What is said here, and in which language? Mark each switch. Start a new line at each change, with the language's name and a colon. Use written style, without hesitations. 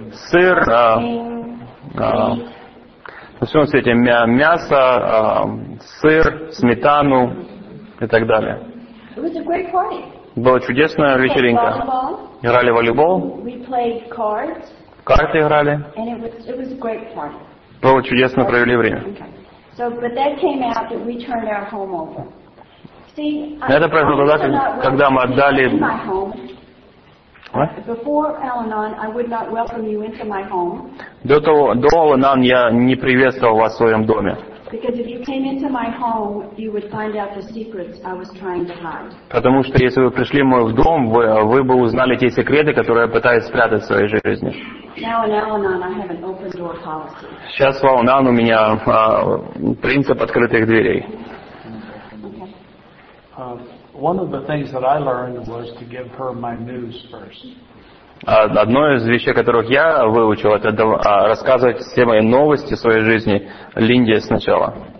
Russian: сыр, на всем свете мясо, сыр, сметану и так далее.
English: It was a great party.
Russian: Была чудесная вечеринка. Играли в волейбол.
English: We played cards.
Russian: Карты играли.
English: And it was a great party.
Russian: Было чудесно, провели время.
English: Okay. So, but that came out that we turned our home over. See,
Russian: это произошло тогда, когда мы отдали...
English: What? Before Al-Anon, I would not welcome you into my home.
Russian: До Al-Anon я не приветствовал вас в своем доме.
English: Because if you came into my home, you would find out the secrets I was trying to hide.
Russian: Потому что если вы пришли в мой дом, вы бы узнали те секреты, которые я пытаюсь спрятать в своей жизни.
English: Now in Al-Anon, I have an open door policy.
Russian: Сейчас в Al-Anon у меня принцип открытых дверей.
English: One of the things that I learned was to give her my news first.
Russian: Одно из вещей, которых я выучил, это рассказывать все мои новости своей жизни Линде сначала.